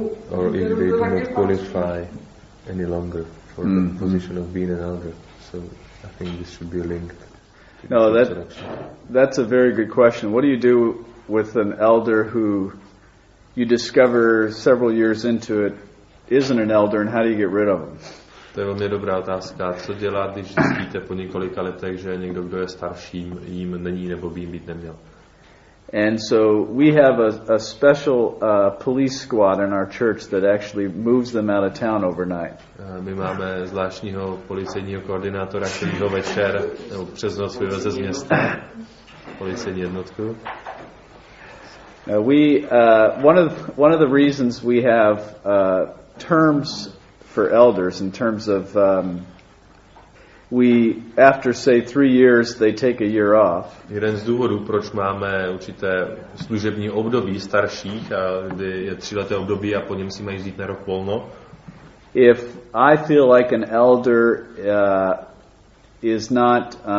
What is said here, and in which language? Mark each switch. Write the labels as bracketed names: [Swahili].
[English] Or if they do not qualify any longer for the position of being an elder. So I think this should be linked. No, that's a very good question. What do you do with an elder who you discover several years into it isn't an elder, and how do you get rid of him? [Czech] To je velmi dobrá otázka. Co dělat, když zjistíte po několika letech, že někdo, kdo je starším, jim není nebo by jim být neměl? [English] And so we have a special police squad in our church that actually moves them out of town overnight. [Czech] My máme zvláštního policejního koordinátora, který ho večer nebo přes noc vyveze z města. Policejní jednotku. [English] One of the reasons we have terms for elders in terms of after say 3 years, they take a year off. [Czech] Jeden z důvodů, proč máme určité služební období starších, kdy je 3leté období a po něm si mají vzít na rok volno. [English] If I feel like an elder is not